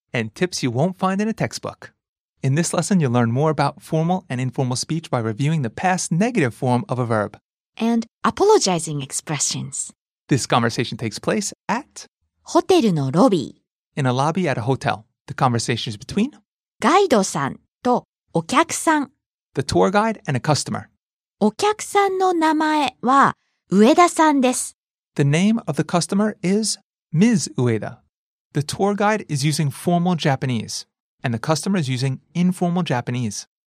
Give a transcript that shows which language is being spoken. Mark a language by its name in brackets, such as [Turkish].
[English] And tips you won't find in a textbook. In this lesson, you'll learn more about formal and informal speech by reviewing the past negative form of a verb. And apologizing expressions. This conversation takes place at... [Japanese] ホテルのロビー。 [English] In a lobby at a hotel, the conversation is between [Japanese] ガイドさんとお客さん。 [English] The tour guide and a customer. [Japanese] お客さんの名前は上田さんです。 [English] The name of the customer is Ms. Ueda. The tour guide is using formal Japanese, and the customer is using informal Japanese.